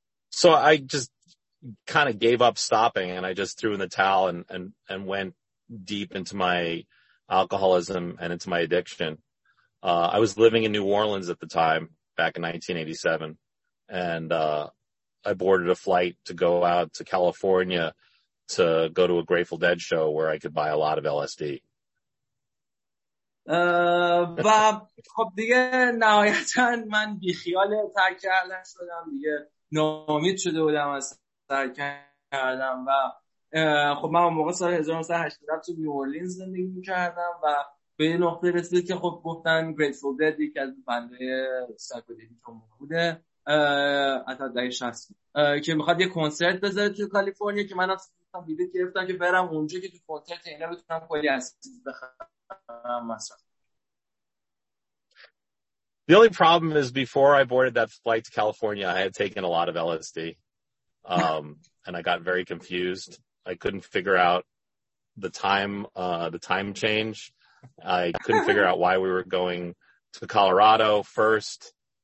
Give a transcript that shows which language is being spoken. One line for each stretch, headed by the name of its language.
English: So I just kind of gave up stopping and I just threw in the towel and went deep into my alcoholism and into my addiction. I was living in New Orleans at the time, back in 1987, and I boarded a flight to go out to California to go to a Grateful Dead show where I could buy a lot of LSD.
Persian: و خب دیگه نهایتاً من بیخیال ترک کردن شدم، دیگه نامید شده بودم از ترک کردم. و خب من اون موقع سال 1980 تو نیورلینز زندگی میکردم و به یه نقطه رسید که خب گفتن Grateful Dead یک از بنده سایکدلیک اون موقع بوده، حتی دهه 60، که میخواد یه کنسرت بذاره تو کالیفرنیا، که من اصلا بیلیت گرفتم که برم اونجا که تو کنسرت اینا بتونم کلی اسید بخرم.
English: The only problem is before I boarded that flight to California, I had taken a lot of LSD, and I got very confused. I couldn't figure out the time change. I couldn't figure out why we were going to Colorado first.